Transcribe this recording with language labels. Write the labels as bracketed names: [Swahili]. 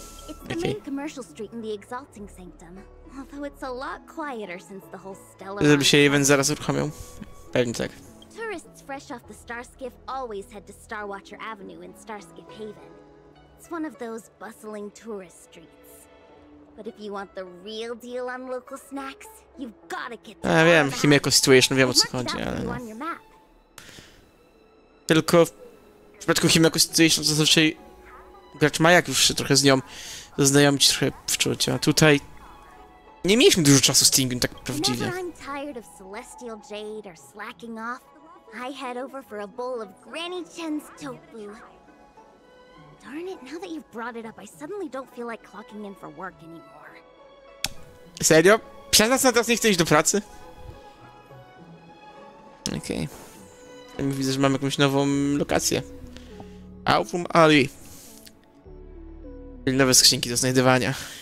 [English] It's the main commercial street in the exalting sanctum. Although it's a lot quieter since the whole stellar... [Polish] Żeby się event zaraz uruchomił. Pewnie tak. [English] Tourists fresh off the Starskiff always head to Starwatcher Avenue in Starskiff Haven. It's one of those bustling tourist streets. But if you want the real deal on local snacks, you've gotta get the... [Polish] A wiem, Himeko Situation, wiem o co chodzi, ale no. Tylko w przypadku Himeko Situation zazwyczaj gracz ma jak już się trochę z nią zaznajomić, trochę wczuć, a tutaj... Nie mieliśmy dużo czasu z Tingiem tak prawdziwie. [English] Never I'm tired of Celestial Jade or slacking off. I head over for a bowl of Granny Chen's tofu. Darn it, now that you've brought it up, I suddenly don't feel like clocking in for work anymore. [Polish] Serio? Przez nas na teraz nie chce iść do pracy? Okej. Okay. Widzę, że mamy jakąś nową lokację. Album Ali. Czyli nowe skrzynki do znajdywania.